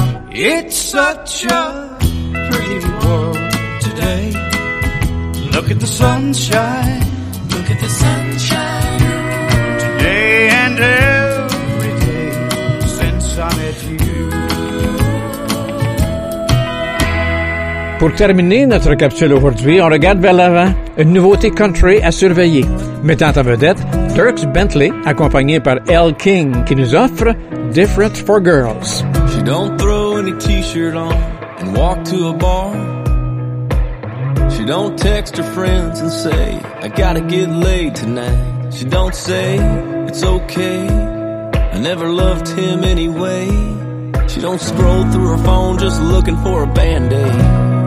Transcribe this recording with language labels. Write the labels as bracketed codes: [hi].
[en] It's such a pretty world today. Look at the sunshine. Look at the sunshine. Today and every day since I met you. [fr] Pour terminer notre capsule aujourd'hui, on regarde vers l'avant. Une nouveauté country à surveiller, mettant en vedette Dierks Bentley, accompagné par Elle King, qui nous offre Different for Girls. [en] She don't throw any t-shirt on and walk to a bar. She don't text her friends and say, I gotta get laid tonight. She don't say, it's okay, I never loved him anyway. She don't scroll through her phone just looking for a band-aid.